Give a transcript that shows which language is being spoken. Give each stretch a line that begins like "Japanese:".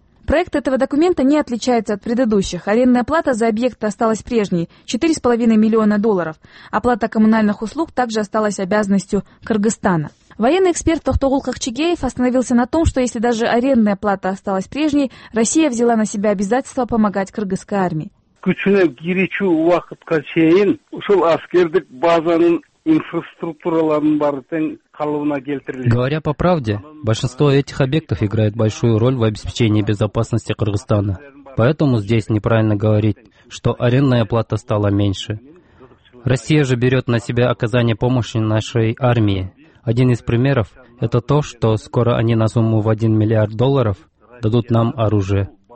Russian: Проект этого документа не отличается от предыдущих. Арендная плата за объекты осталась прежней – $4.5 миллиона. Оплата коммунальных услуг также осталась обязанностью Кыргызстана. Военный эксперт Токтогул Кахчигеев остановился на том, что если даже арендная плата осталась прежней, Россия взяла на себя обязательство помогать кыргызской армии.
Kyrgyz: Күчүнө киричүү убакытка чейин ушул аскердик базанын инфраструктураларынын баары тең калыбына келтирилет.
Russian: Говоря по правде, большинство этих объектов играет большую роль в обеспечении безопасности Кыргызстана. Поэтому здесь неправильно говорить, что арендная плата стала меньше. Россия же берет на себя оказание помощи нашей армии. Один из примеров – это то, что скоро они на сумму в $1 миллиард дадут нам оружие.